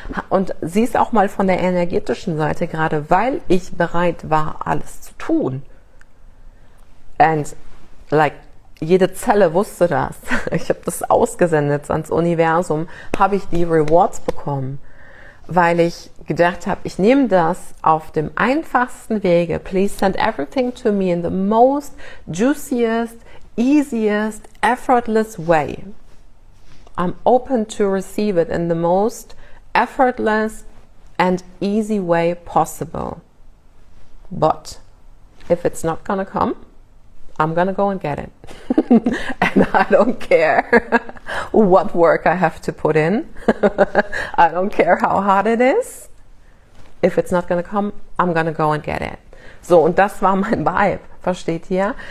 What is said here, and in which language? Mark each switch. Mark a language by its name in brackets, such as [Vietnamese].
[German] Und sieh es auch mal von der energetischen Seite, gerade weil ich bereit war, alles zu tun. And like, jede Zelle wusste das. Ich habe das ausgesendet ans Universum, habe ich die Rewards bekommen, weil ich gedacht habe, ich nehme das auf dem einfachsten Wege. [English] Please send everything to me in the most juiciest, easiest, effortless way. I'm open to receive it in the most effortless and easy way possible. But if it's not gonna come, I'm gonna go and get it. And I don't care what work I have to put in. I don't care how hard it is. If it's not gonna come, I'm gonna go and get it. [German] So, und das war mein Vibe, versteht ihr?